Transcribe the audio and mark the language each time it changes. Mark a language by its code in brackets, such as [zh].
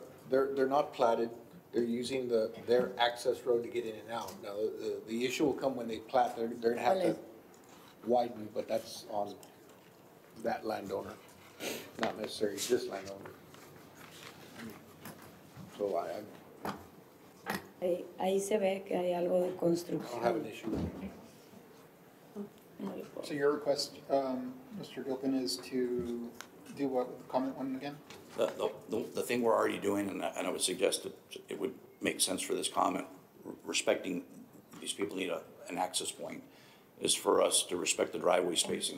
[en] they're not platted, they're using their access road to get in and out. Now the issue will come when they plat. They're gonna have to widen, but that's on that landowner, not necessarily this landowner. So [es] ahí se ve que hay algo de construcción. [en] I don't have an issue. So your request, Mr. Gilpin, is to do what with the comment one again? The thing we're already doing, and I would suggest that it would make sense for this comment, respecting these people need an access point, is for us to respect the driveway spacing.